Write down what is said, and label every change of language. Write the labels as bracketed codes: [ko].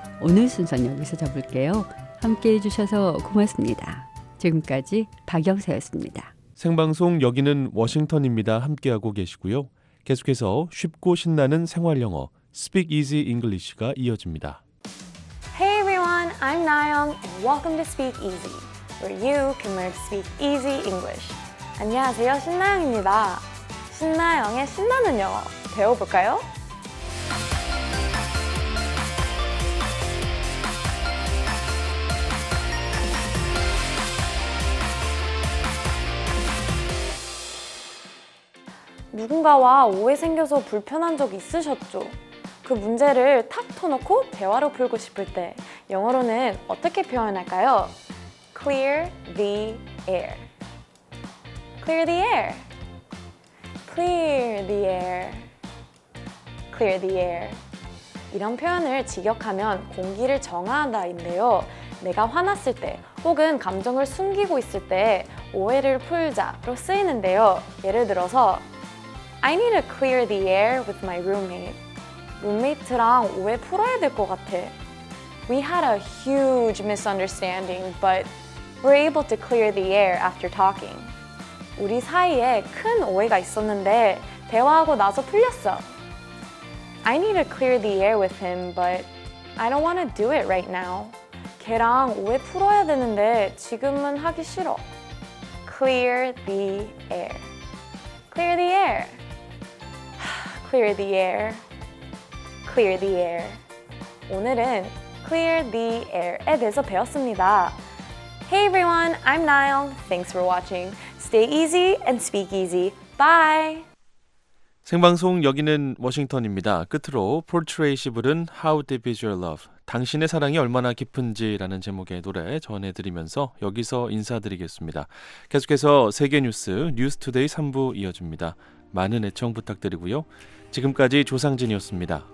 [ko] 오늘 순서는 여기서 접을게요. 함께해 주셔서 고맙습니다. 지금까지 박영서였습니다. 생방송 여기는 워싱턴입니다. 함께하고 계시고요. 계속해서 쉽고 신나는 생활 영어, Speak Easy English가 이어집니다. [en] Hey everyone! I'm Nayeon and welcome to Speak Easy, where you can learn to speak easy English. [ko] 안녕하세요, 신나영입니다. 신나영의 신나는 영어 배워볼까요? 누군가와 오해 생겨서 불편한 적 있으셨죠? 그 문제를 탁 터놓고 대화로 풀고 싶을 때 영어로는 어떻게 표현할까요? [en] Clear the air. Clear the air. Clear the air. Clear the air. [ko] 이런 표현을 직역하면 공기를 정화한다인데요. 내가 화났을 때 혹은 감정을 숨기고 있을 때 오해를 풀자로 쓰이는데요. 예를 들어서 [en] I need to clear the air with my roommate. [ko] 룸메이트랑 오해 풀어야 될 것 같아. [en] We had a huge misunderstanding, but we're able to clear the air after talking. [ko] 우리 사이에 큰 오해가 있었는데 대화하고 나서 풀렸어. [en] I need to clear the air with him, but I don't want to do it right now. [ko] 걔랑 오해 풀어야 되는데 지금은 하기 싫어. [en] Clear the air. Clear the air. Clear the air. Clear the air. [ko] 오늘은 [en] clear the air [ko] 에 대해서 배웠습니다. [en] Hey everyone, I'm Niall. Thanks for watching. Stay easy and speak easy. Bye! [ko] 생방송 여기는 워싱턴입니다. 끝으로 폴 트레이시 부른 [en] How Deep Is Your Love? [ko] 당신의 사랑이 얼마나 깊은지라는 제목의 노래 전해드리면서 여기서 인사드리겠습니다. 계속해서 세계 뉴스 뉴스 투데이 3부 이어집니다. 많은 애청 부탁드리고요. 지금까지 조상진이었습니다.